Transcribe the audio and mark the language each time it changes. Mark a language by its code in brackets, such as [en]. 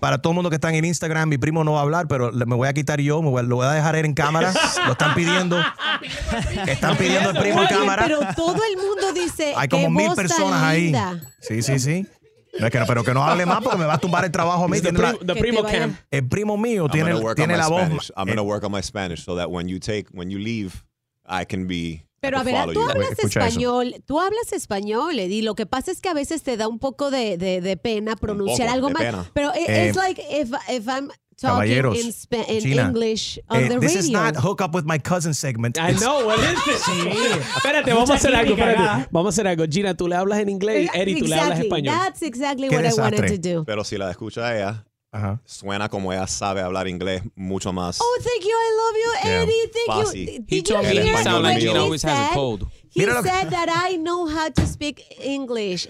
[es] Para todo el mundo que está en Instagram, mi primo no va a hablar, pero me voy a quitar yo, lo voy a dejar en cámara. Lo están pidiendo. Están pidiendo el primo en cámara. Pero todo el mundo dice, hay como 1,000 personas ahí. Linda. Sí. No, es que no, pero que no hable más porque me va a tumbar el trabajo a mí. El primo mío tiene la voz. [en] I'm going to work on my Spanish so that when you leave, I can be. [es] Pero a ver, tú hablas español. Tú hablas español, Eddie. Lo que pasa es que a veces te da un poco de pena pronunciar algo mal. Pero es [en] like if I'm talking in Gina, English on the radio. This is not hook up with my cousin segment. I know. What is this? [es] Sí. Espérate, vamos a hacer algo. Gina, tú le hablas en inglés. Eddie, tú le hablas español. [en] That's exactly what I wanted to do. [es] Pero si la escucha ella, suena como ella sabe hablar inglés mucho más. [en] Oh, thank you. I love you, Eddie. Yeah. Thank [es] Fácil. [en] You. He told me he sounds like he always has a cold. He said that I know how to speak English.